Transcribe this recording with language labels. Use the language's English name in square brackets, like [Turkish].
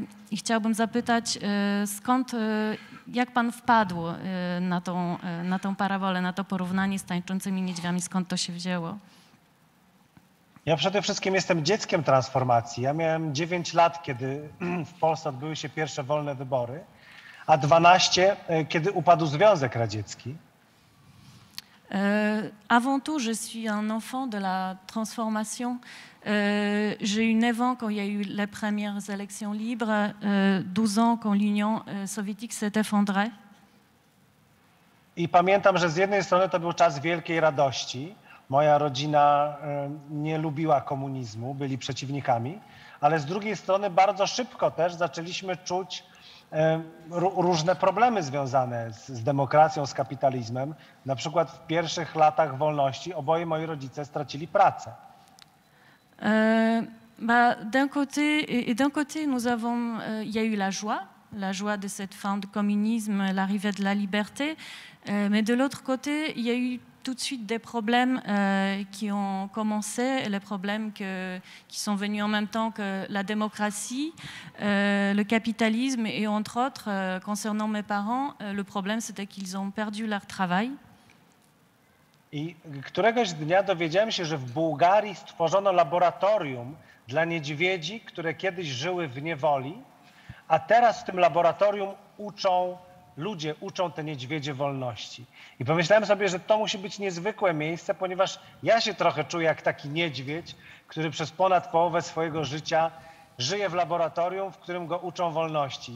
[Polish] I chciałbym zapytać, skąd, jak pan wpadł na tą parabolę, na to porównanie z tańczącymi niedźwiami, skąd to się wzięło? Ja przede wszystkim jestem dzieckiem transformacji. Ja miałem 9 lat, kiedy w Polsce odbyły się pierwsze wolne wybory, a 12, kiedy upadł Związek Radziecki. [French] Avant tout, je suis un enfant de la transformation. J'ai eu 9 ans quand il y a eu les premières élections libres, 12 ans quand l'Union soviétique s'est effondrée. [Polish] I pamiętam, że z jednej strony to był czas wielkiej radości. Moja rodzina nie lubiła komunizmu, byli przeciwnikami, ale z drugiej strony bardzo szybko też zaczęliśmy czuć różne problemy związane z demokracją, z kapitalizmem. Na przykład w pierwszych latach wolności oboje moi rodzice stracili pracę. [French] D'un côté, nous avons, y a eu la joie de cette fin du communisme, l'arrivée de la liberté, mais de l'autre côté, il y a eu tout de suite des problèmes qui ont commencé, les problèmes que, qui sont venus en même temps que la démocratie, le capitalisme et entre autres, concernant mes parents, le problème c'était qu'ils ont perdu leur travail. [Polish] I któregoś dnia dowiedziałem się, że w Bułgarii stworzono laboratorium dla niedźwiedzi, które kiedyś żyły w niewoli, a teraz w tym laboratorium uczą ludzie, uczą te niedźwiedzie wolności. I pomyślałem sobie, że to musi być niezwykłe miejsce, ponieważ ja się trochę czuję jak taki niedźwiedź, który przez ponad połowę swojego życia żyje w laboratorium, w którym go uczą wolności.